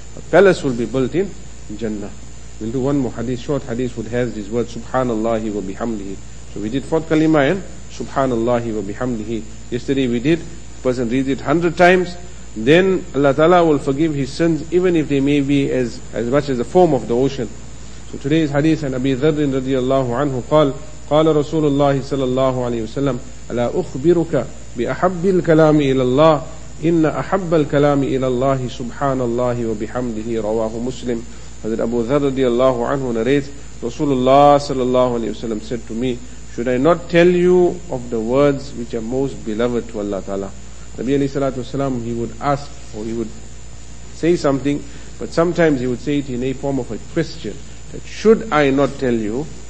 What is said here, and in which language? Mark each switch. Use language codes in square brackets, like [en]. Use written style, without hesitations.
[en] A palace will be built in Jannah. We'll do one more hadith, short hadith, which has these words, Subhanallahi wa bihamdihi. So we did 4th kalima and Subhanallahi wa bihamdihi. Yesterday we did, the person reads it 100 times, then Allah Ta'ala will forgive his sins, even if they may be as much as the foam of the ocean. So today's hadith, [ar] and Abi Dharr radiallahu anhu, قال رسول الله صلى الله عليه وسلم ألا أخبرك بأحب الكلام إلى الله إن أحب الكلام إلى الله سبحان الله وبحمده رواه مسلم. [en] حضرت أبو ذر رضي الله عنه narrates رسول الله صلى الله عليه وسلم said to me, should I not tell you of the words which are most beloved to Allah Ta'ala? نبي عليه الصلاة والسلام, he would ask or he would say something, but sometimes he would say it in a form of a question, that should I not tell you?